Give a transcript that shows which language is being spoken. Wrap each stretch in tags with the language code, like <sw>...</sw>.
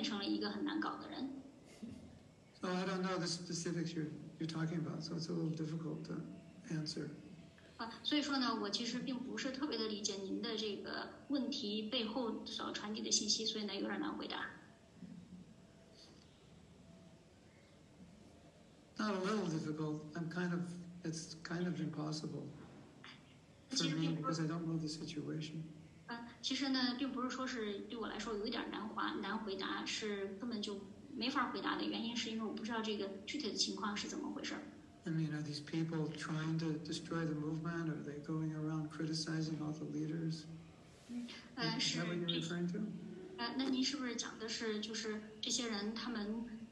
<zh>那这个问题就在于，当我们有的时候在应对很难搞的人的时候，慢慢我们自己在应对这些难搞的人的时候，就把自己也变成了一个很难搞的人。</zh> <en>So I don't know the specifics you're talking about, so it's a little difficult to answer.</en> <zh>所以说呢，我其实并不是特别的理解您的这个问题背后所传递的信息，所以呢，有点难回答。</zh> <en>Not a little difficult. It's kind of impossible for me because I don't know the situation.</en> <zh>其实呢，并不是说是对我来说有一点难回答，是根本就没法回答的原因，是因为我不知道这个具体的情况是怎么回事。</zh> <en>I mean, are these people trying to destroy the movement? Or are they going around criticizing all the leaders? Is that what you're referring to?</en> <zh>那您是不是讲的是就是这些人他们？</zh>